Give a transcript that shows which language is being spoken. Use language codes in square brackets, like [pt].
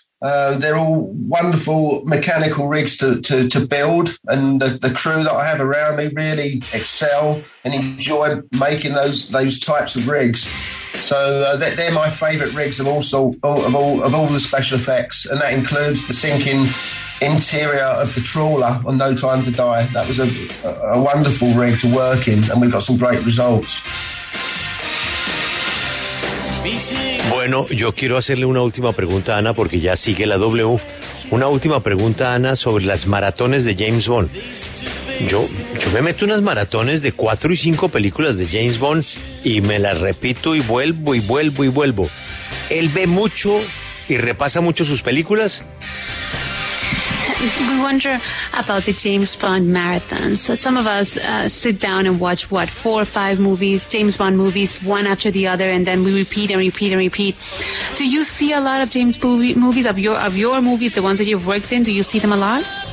[en] They're all wonderful mechanical rigs to build, and the crew that I have around me really excel and enjoy making those types of rigs. So they're my favourite rigs of all the special effects, and that includes the sinking interior of the trawler on No Time to Die. That was a wonderful rig to work in, and we've got some great results. [es] Bueno, yo quiero hacerle una última pregunta, Ana, porque ya sigue la W. Una última pregunta, Ana, sobre las maratones de James Bond. Yo me meto unas maratones de 4 y 5 películas de James Bond y me las repito y vuelvo y vuelvo y vuelvo. ¿Él ve mucho y repasa mucho sus películas? [en] We wonder about the James Bond marathon. So some of us sit down and watch, 4 or 5 movies, James Bond movies, one after the other, and then we repeat and repeat and repeat. Do you see a lot of James Bond movies, of your movies, the ones that you've worked in? Do you see them a lot?